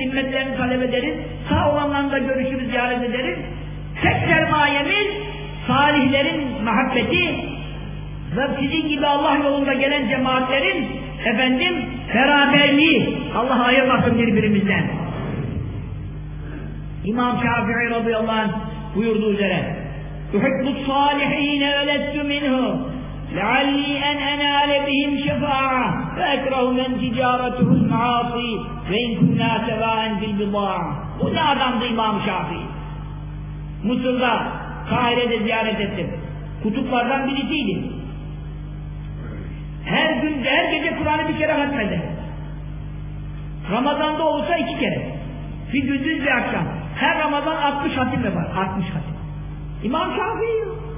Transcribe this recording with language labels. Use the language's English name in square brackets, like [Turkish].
[Turkish] Himmetlerini talep ederiz. Sağ olanlarında görüşürüz, ziyaret ederiz. Tek sermayemiz salihlerin muhabbeti ve sizin gibi Allah yolunda gelen cemaatlerin efendim beraberliği. Allah ayırmasın birbirimizden. İmam Şafii radıyallahu anh buyurduğu üzere [Arabic] اُحِبُّ الصَّالِحِينَ وَلَسْتُ مِنْهُمْ لَعَلِّي اَنْ اَنَالَ بِهِمْ شَفَاعًا فَاَكْرَهُ مَنْ تِجَارَتُهُمْ عَاصِي وَاِنْ كُنَّا سَوَاءً فِي الْبِضَاعَةِ [Turkish] Bu ne adamdı İmam Şafii? Mısır'da, Kahire'de ziyaret ettim. Kutuplardan birisiydi. Her gün, her gece Kur'an'ı bir kere hatmedi. Ramazan'da olsa iki kere. Bir gündüz bir akşam. Her Ramazan 60 hatim var. 60 hatim. İmam Şafii.